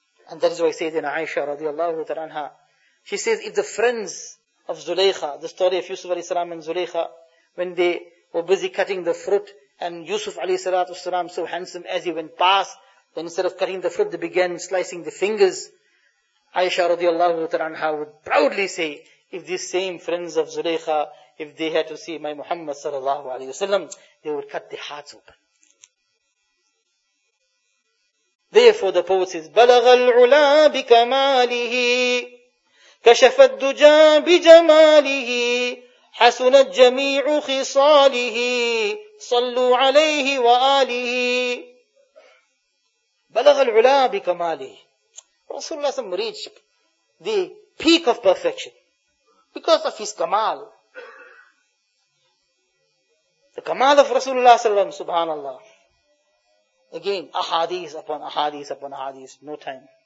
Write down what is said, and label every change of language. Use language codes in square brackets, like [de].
[en] And that is why Sayyidina Aisha radiallahu ta'ala anha, she says, if the friends of Zulaykha, the story of Yusuf alayhi salam and Zulaykha, when they were busy cutting the fruit, and Yusuf alayhi salatu salam, so handsome as he went past, then instead of cutting the fruit, they began slicing the fingers. Aisha radiallahu ta'ala anha would proudly say, if these same friends of Zulaykha, if they had to see my Muhammad sallallahu alayhi wasallam, they would cut their hearts open. Therefore the poet says, [ar] بَلَغَ الْعُلَى بِكَمَالِهِ كشف الدجى بجماله حسن الجميع خصاله صلوا عليه وآله بلغ العلا بكماله. [en] Rasulullah has reached the peak of perfection because of his kamal. The kamal of Rasulullah sallam, subhanallah. Again, ahadith upon ahadith upon ahadith, no time.